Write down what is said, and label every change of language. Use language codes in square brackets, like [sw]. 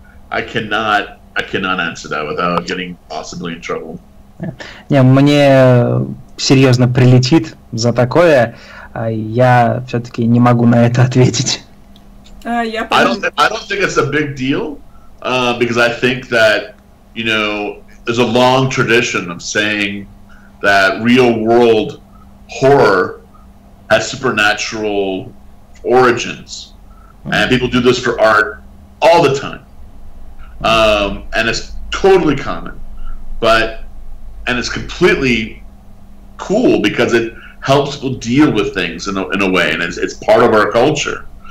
[en] I cannot answer that without getting possibly in trouble. [ru] Yeah, мне серьезно прилетит за такое. Я все-таки не могу на это ответить. [en] I don't think it's a big deal, because I think that, you know, there's a long tradition of saying that real world horror has supernatural origins, and people do this for art all the time, and it's totally common, and it's completely cool because it helps people deal with things in a way, and it's part of our culture.